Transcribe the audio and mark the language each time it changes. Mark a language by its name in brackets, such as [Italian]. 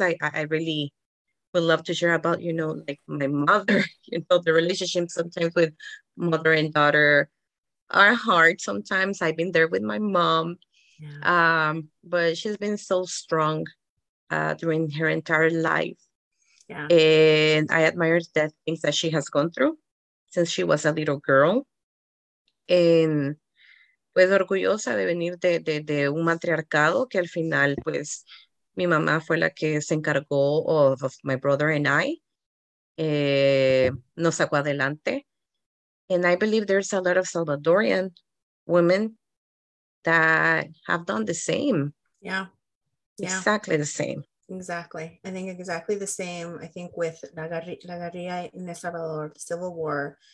[English] I really would love to share about, you know, like my mother, you know, the relationship sometimes with mother and daughter are hard sometimes. I've been there with my mom, but she's been so strong during her entire life. And I admire the things that she has gone through since she was a little girl. [Spanish] And pues orgullosa de venir de un matriarcado que al final pues mi mamá fue la que se encargó [English] of my brother and I. [Spanish] Nos sacó adelante. [English] And I believe there's a lot of Salvadorian women that have done the same. Yeah. Exactly the same. Exactly. I think exactly the same. I think with La Guerrilla in El Salvador, the Civil War,